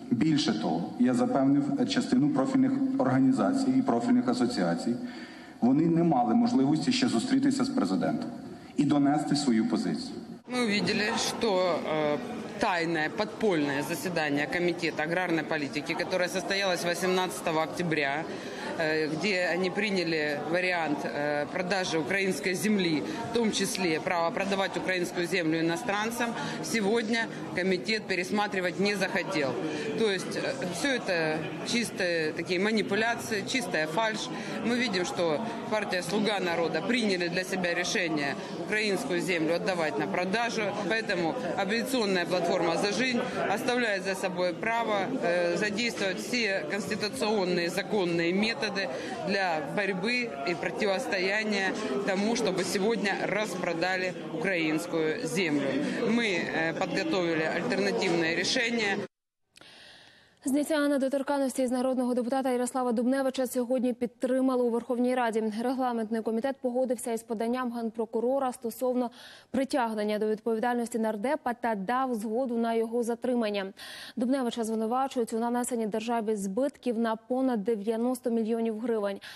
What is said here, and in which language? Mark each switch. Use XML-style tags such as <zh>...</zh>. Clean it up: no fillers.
<uk>Більше того, я запевнив частину профільних організацій і профільних асоціацій, вони не мали можливості ще зустрітися з президентом і донести свою позицію. Ми побачили, що тайне подпольне засідання комітету аграрної політики, яке состоялось 18 октября,</uk> <ru>где они приняли вариант продажи украинской земли, в том числе право продавать украинскую землю иностранцам, сегодня комитет пересматривать не захотел. То есть все это чистые такие манипуляции, чистая фальшь. Мы видим, что партия «Слуга народа» приняли для себя решение украинскую землю отдавать на продажу. Поэтому оппозиционная платформа «За жизнь» оставляет за собой право задействовать все конституционные законные методы для борьбы и противостояния тому, чтобы сегодня распродали украинскую землю. Мы подготовили альтернативное решение.</ru> <uk>Зняття недоторканності з народного депутата Ярослава Дубневича сьогодні підтримали у Верховній Раді. Регламентний комітет погодився із поданням генпрокурора стосовно притягнення до відповідальності нардепа та дав згоду на його затримання. Дубневича звинувачують у нанесенні державі збитків на понад 90 мільйонів гривень.</uk>